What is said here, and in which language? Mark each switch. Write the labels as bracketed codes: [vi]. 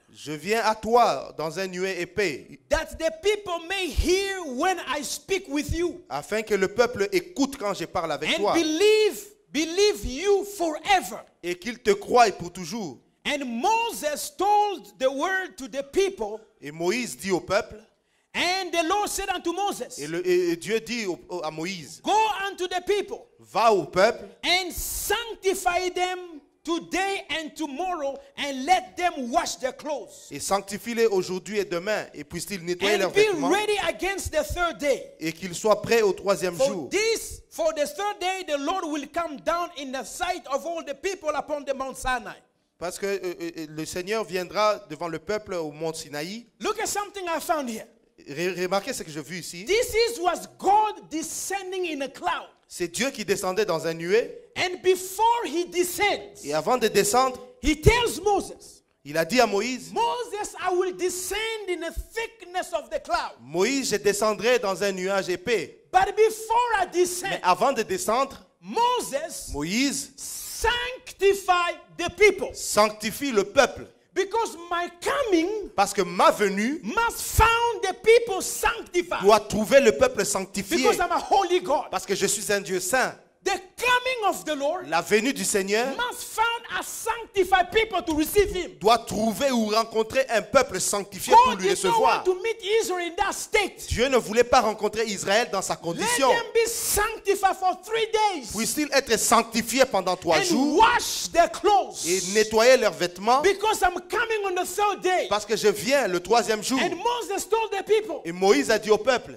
[fr] Je viens à toi dans un nuée épais. [en] That the people may hear when I speak with you. [fr] Afin que le peuple écoute quand je parle avec [en] and [fr] toi. [en] And believe you forever. [fr] Et qu'il te croie pour toujours. [en] And Moses told the word to the people. [fr] Et Moïse dit au peuple. [en] And the Lord said unto Moses. [fr] Et Dieu dit à Moïse. [en] Go unto the people. [fr] Va au peuple. [en] And sanctify them. Today and tomorrow, and let them wash their clothes. [fr] Et sanctifie-les aujourd'hui et demain, et puissent-ils nettoyer [en] and [fr] leurs vêtements. [en] And be ready against the third day. [fr] Et qu'ils soient prêts au troisième [en] for [fr] jour. [en] For the third day, the Lord will come down in the sight of all the people upon the Mount Sinai. [fr] Parce que le Seigneur viendra devant le peuple au Mont Sinaï. [en] Look at something I found here. [fr] Remarquez ce que j'ai vu ici. [en] This is was God descending in a cloud. [fr] C'est Dieu qui descendait dans un nuée. [en] And before he descends, [fr] et avant de descendre, [en] he tells Moses, [fr] il a dit à Moïse, [en] Moses, I will descend in the thickness of the cloud. [fr] Moïse, je descendrai dans un nuage épais. [en] But before I descend, [fr] mais avant de descendre, [en] Moses, [fr] Moïse, [en] sanctify the people. [fr] Sanctifie le peuple. [en] Because my coming, [fr] parce que ma venue, [en] must found the people sanctified. [fr] Doit trouver le peuple sanctifié. [en] Because I'm a holy God. [fr] Parce que je suis un Dieu saint. [en] The coming of the Lord, [fr] la venue du Seigneur, [en] must found a sanctified people to receive him. [fr] Doit trouver ou rencontrer un peuple sanctifié [en] God [fr] pour lui recevoir. [en] God did not want to meet Israel in that state. [fr] Dieu ne voulait pas rencontrer Israël dans sa condition. [en] Let them be sanctified for 3 days. [fr] Puissent-ils être sanctifiés pendant 3 jours? [en] And wash their clothes. [fr] Et nettoyer leurs vêtements. [en] Because I'm coming on the third day. [fr] Parce que je viens le troisième jour. [en] And Moses told the people. [fr] Et Moïse a dit au peuple.